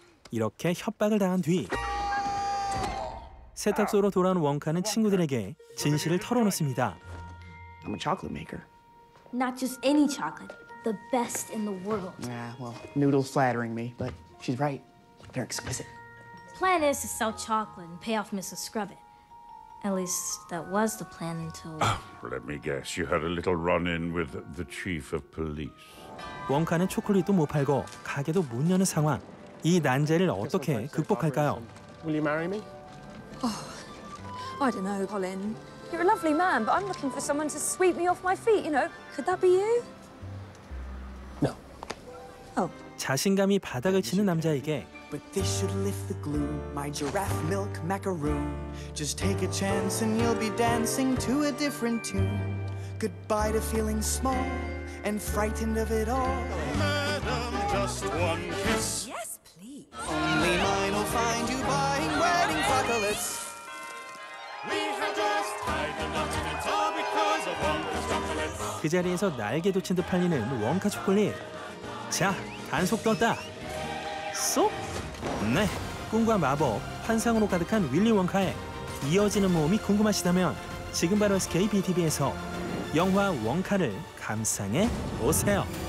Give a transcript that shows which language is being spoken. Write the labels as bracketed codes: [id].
[ko] 이렇게 협박을 당한 뒤 세탁소로 돌아온 원카는 친구들에게 진실을 털어놓습니다. [en] I'm a chocolate maker. Not just any chocolate, the best in the world. Yeah, well, Noodle's flattering me, but she's right. They're exquisite. Plan is to sell chocolate and pay off Mrs. Scrubbit. At least that was the plan until. Oh, let me guess. You had a little run-in with the chief of police. [ko] 원카는 초콜릿도 못 팔고 가게도 못 여는 상황. 이 난제를 어떻게 극복할까요? [en] Will you marry me? Oh, I don't know, Colin. You're a lovely man, but I'm looking for someone to sweep me off my feet. You know, could that be you? No. Oh. [ko] 자신감이 바닥을 치는 남자에게 [en] But this should lift the gloom. My giraffe milk macaroon. Just take a chance and you'll be dancing to a different tune. Goodbye to feeling small and frightened of it all. Madam, just one kiss. Yes, please. Only mine will find you buying wedding chocolates. We have just tied the knot and it's all because of Wonka's chocolates. [ko] 그 자리에서 날개 돋친 듯 팔리는 원카 초콜릿. 자, 단속 떴다. 쏙! 네, 꿈과 마법, 환상으로 가득한 윌리 원카의 이어지는 모험이 궁금하시다면 지금 바로 SKBTV에서 영화 원카를 감상해 보세요.